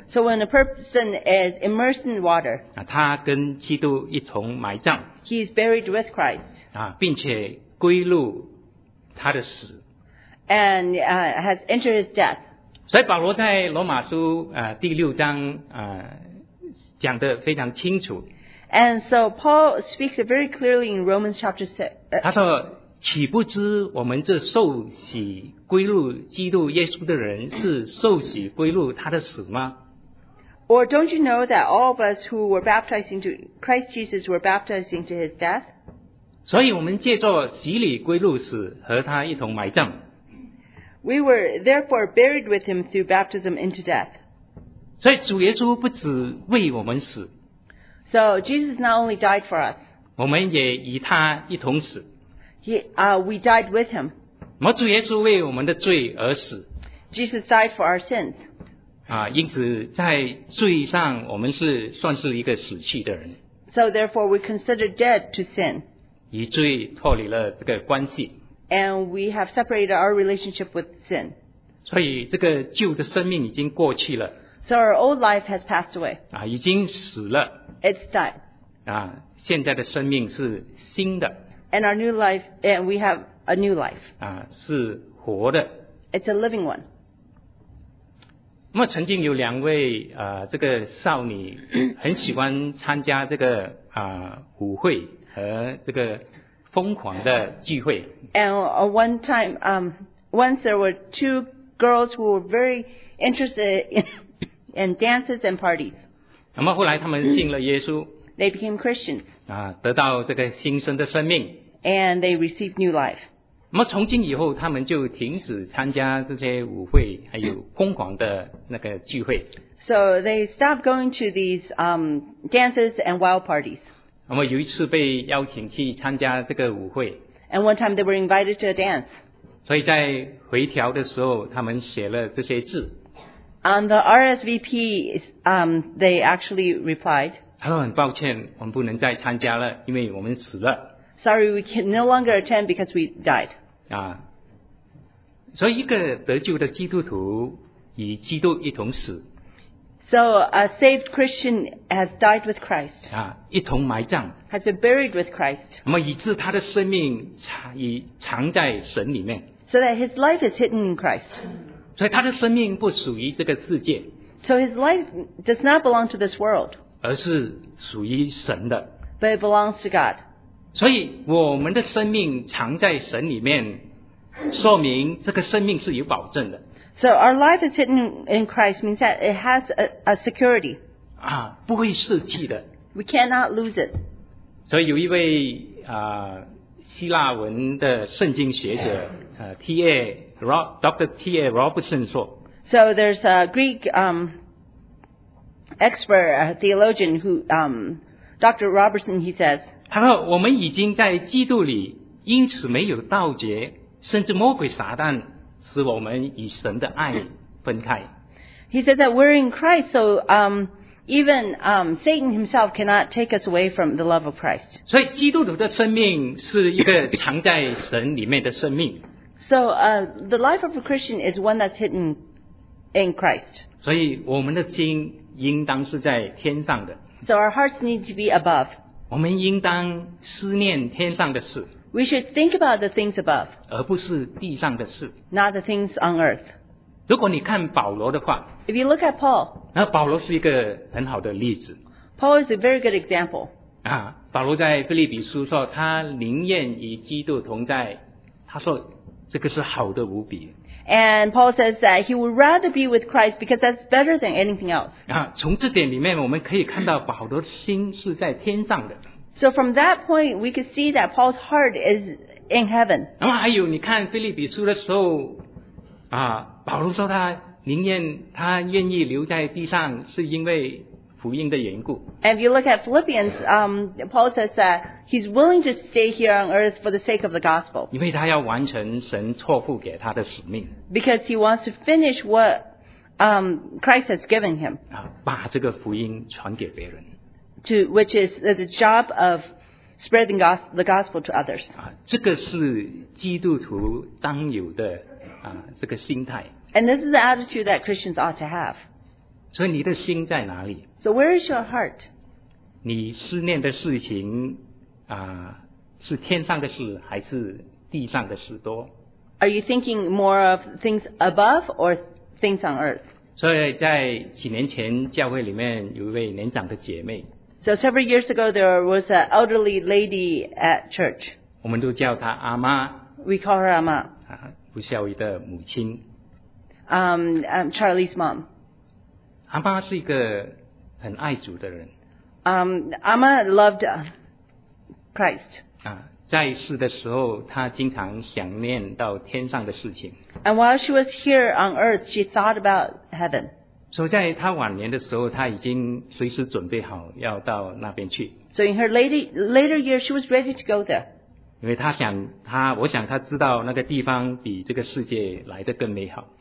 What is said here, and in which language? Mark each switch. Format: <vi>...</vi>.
<en>So when a person is immersed in water,</en> <zh>他跟基督一同埋葬，</zh> <en>He is buried with Christ.</en> <zh>并且归入他的死，</zh> <en>And has entered his death.</en> <zh>所以保罗在罗马书第六章讲得非常清楚。</zh> <en>And so Paul speaks very clearly in Romans chapter 6.</en> <zh>他说，岂不知我们这受洗归入基督耶稣的人是受洗归入他的死吗？</zh> <en>Or don't you know that all of us who were baptized into Christ Jesus were baptized into his death?</en> <zh>所以我们借着洗礼归入死，和他一同埋葬。</zh> <en>We were therefore buried with him through baptism into death.</en> <zh>所以主耶稣不只为我们死，</zh> <en>So Jesus not only died for us,</en> <zh>我们也与他一同死，</zh> <en>We died with him.</en> <zh>我主耶稣为我们的罪而死。</zh> <en>Jesus died for our sins.</en> <zh>啊，因此在罪上我们是算是一个死去的人。</zh> <en>So therefore we consider dead to sin.</en> <zh>与罪脱离了这个关系。</zh> <en>And we have separated our relationship with sin.</en> <zh>所以这个旧的生命已经过去了。</zh> <en>So our old life has passed away.</en> <zh>啊，已经死了。</zh> <en>It's died.</en> <zh>啊，现在的生命是新的。</zh> <en>And our new life, and we have a new life.</en> <zh>啊，是活的。</zh> <en>It's a living one.</en> <zh>那么曾经有两位这个少女很喜欢参加这个舞会和这个疯狂的聚会。</zh> <en>And one time, once there were two girls who were very interested in dances and parties.</en> <zh>那么后来他们信了耶稣。</zh> <en>They became Christians.</en> <zh>啊，得到这个新生的生命。</zh> <en>And they received new life.</en> <zh>那么从今以后，他们就停止参加这些舞会，还有疯狂的那个聚会。</zh> <en>So they stopped going to these dances and wild parties.</en> <zh>那么有一次被邀请去参加这个舞会。</zh> <en>And one time they were invited to a dance.</en> <zh>所以在回调的时候，他们写了这些字。</zh> <en>On the RSVP, they actually replied.</en> <zh>他说很抱歉，我们不能再参加了，因为我们死了。</zh> <en>Sorry, we can no longer attend because we died.</en> <zh>啊，所以一个得救的基督徒与基督一同死。</zh> <en>So a saved Christian has died with Christ.</en> <zh>啊，一同埋葬。</zh> <en>Has been buried with Christ.</en> <zh>那么以致他的生命藏在神里面。</zh> <en>So that his life is hidden in Christ.</en> <zh>所以他的生命不属于这个世界。</zh> <en>So his life does not belong to this world.</en> <zh>而是属于神的。</zh> <en>But it belongs to God.</en> <zh>所以我们的生命藏在神里面，说明这个生命是有保证的。</zh> <en>So our life is hidden in Christ means that it has a security.</en> <zh>啊，不会失去的。</zh> <en>We cannot lose it.</en> <zh>所以有一位希腊文的圣经学者Dr. T.A. Robertson 说。</zh> <en>So there's a Greek expert, a theologian who Dr. Robertson, he says,</en> <zh>他说我们已经在基督里，因此没有盗劫，甚至魔鬼撒旦使我们与神的爱分开。</zh> <en>He said that we're in Christ, so Satan himself cannot take us away from the love of Christ.</en> <zh>所以基督徒的生命是一个藏在神里面的生命。</zh> <en>So the life of a Christian is one that's hidden in Christ.</en> <zh>所以我们的心应当是在天上的。</zh> <en>So our hearts need to be above.</en> <zh>我们应当思念天上的事。</zh> <en>We should think about the things above.</en> <zh>而不是地上的事。</zh> <en>Not the things on earth.</en> <zh>如果你看保罗的话。</zh> <en>If you look at Paul.</en> <zh>那保罗是一个很好的例子。</zh> <en>Paul is a very good example.</en> <zh>啊，保罗在腓立比书说他宁愿与基督同在，他说这个是好的无比。</zh> <en>And Paul says that he would rather be with Christ because that's better than anything else.</en> <zh>啊，从这点里面我们可以看到保罗的心是在天上的。</zh> <en>So from that point, we could see that Paul's heart is in heaven.</en> <zh>然后还有你看腓立比书的时候，啊，保罗说他宁愿他愿意留在地上，是因为福音的缘故。</zh> <en>And if you look at Philippians, Paul says that he's willing to stay here on earth for the sake of the gospel.</en> <zh>因为他要完成神托付给他的使命。</zh> <en>Because he wants to finish what Christ has given him.</en> <zh>啊，把这个福音传给别人。</zh> <en>To which is the job of spreading the gospel to others.</en> <zh>啊，这个是基督徒当有的啊这个心态。</zh> <en>And this is the attitude that Christians ought to have.</en> <zh>所以你的心在哪里？</zh> <en>So where is your heart?</en> <zh>你思念的事情啊，是天上的事还是地上的事多？</zh> <en>Are you thinking more of things above or things on earth?</en> <zh>所以在几年前教会里面有一位年长的姐妹。</zh> <en>So several years ago there was an elderly lady at church.</en> <zh>我们都叫她阿妈。</zh> <en>We call her 阿妈。</en> <zh>啊，不孝一个母亲。</zh> <en>Charlie's mom.</en> <zh>阿妈是一个很爱主的人。</zh> <en>阿妈 loved Christ.</en> <zh>啊，在世的时候，她经常想念到天上的事情。</zh> <en>And while she was here on earth, she thought about heaven.</en> <zh>所以在她晚年的时候，她已经随时准备好要到那边去。</zh> <en>So in her later years, she was ready to go there.</en> <zh>因为他想他我想他知道那个地方比这个世界来得更美好。</zh>